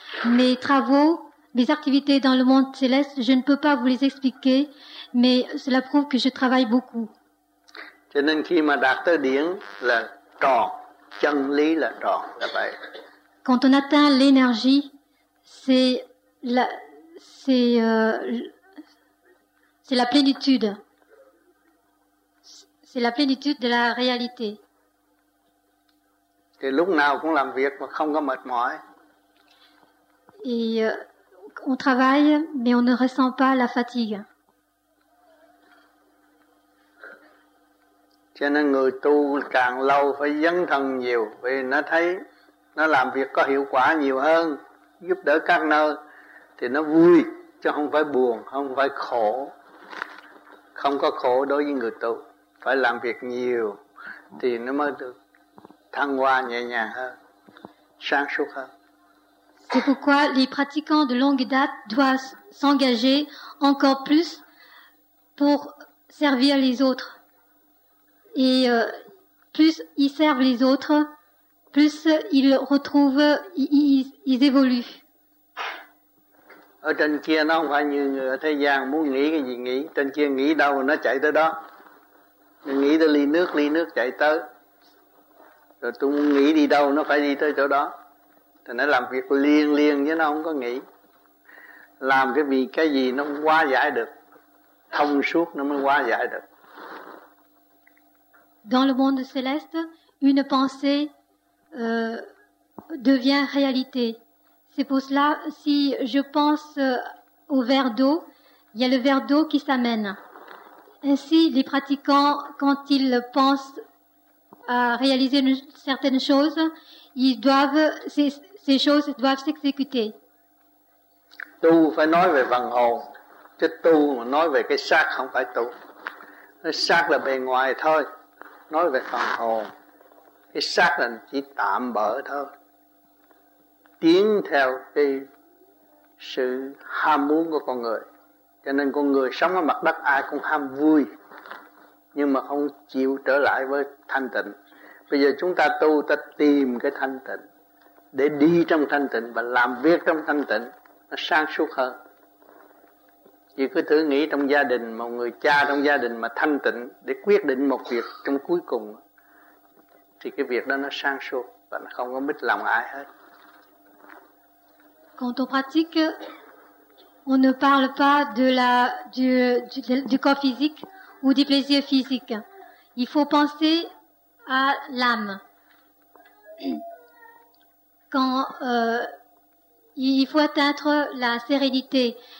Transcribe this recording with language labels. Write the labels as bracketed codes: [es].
[fr] Mes travaux, mes activités dans le monde céleste, je ne peux pas vous les expliquer, mais cela prouve que je travaille beaucoup. [vi] Cho nên khi mà đạt tới điển là tròn, chân lý là tròn, là vậy. [fr] Quand on atteint l'énergie, c'est la plénitude. C'est la plénitude de la réalité. [vi] Thì lúc nào cũng làm việc mà không có mệt mỏi. [fr] Et on travaille mais on ne ressent pas la fatigue. [vi] Cho nên người tu càng lâu phải dấn thân nhiều vì nó thấy nó làm việc có hiệu quả nhiều hơn, giúp đỡ các nơi thì nó vui chứ không phải buồn, không phải khổ. Không có khổ đối với người tu, phải làm việc nhiều thì nó mới được thăng hoa nhẹ nhàng hơn, sáng suốt hơn. [fr] C'est pourquoi les pratiquants de longue date doivent s'engager encore plus pour servir les autres. Et plus ils servent les autres, plus ils retrouvent, ils évoluent. [vi] Ở trên kia nó không phải như người ở thế gian muốn nghĩ cái gì nghĩ, trên kia nghĩ đâu nó chạy tới đó. Mình nghĩ tới ly nước chạy tới. Rồi tôi muốn nghĩ đi đâu nó phải đi tới chỗ đó. Thì nó làm việc liên liên chứ nó không có nghĩ. Làm cái vì cái gì nó không hóa giải được. Thông suốt nó mới hóa giải được. [fr] Dans le monde céleste, une pensée devient réalité. C'est pour cela, si je pense au verre d'eau, il y a le verre d'eau qui s'amène. Ainsi, les pratiquants, quand ils pensent réaliser certaines choses, ils doivent ces choses doivent s'exécuter. [vi] Tu phải nói về phần hồn, chứ tu mà nói về cái xác không phải tu. Cái xác là bề ngoài thôi, nói về phần hồn. Cái xác là chỉ tạm bợ thôi. Tiến theo cái sự ham muốn của con người. Cho nên con người sống ở mặt đất ai cũng ham vui, nhưng mà không chịu trở lại với thanh tịnh. Bây giờ chúng ta tu, ta tìm cái thanh tịnh, để đi trong thanh tịnh và làm việc trong thanh tịnh, nó sáng suốt hơn. Chỉ cứ thử nghĩ trong gia đình, một người cha trong gia đình mà thanh tịnh để quyết định một việc trong cuối cùng, thì cái việc đó nó sáng suốt và nó không có mít lòng ai hết. [fr] Quand on pratique, on ne parle pas de la du corps physique ou du plaisir physique. Il faut penser à l'âme. Quand il faut atteindre la sérénité.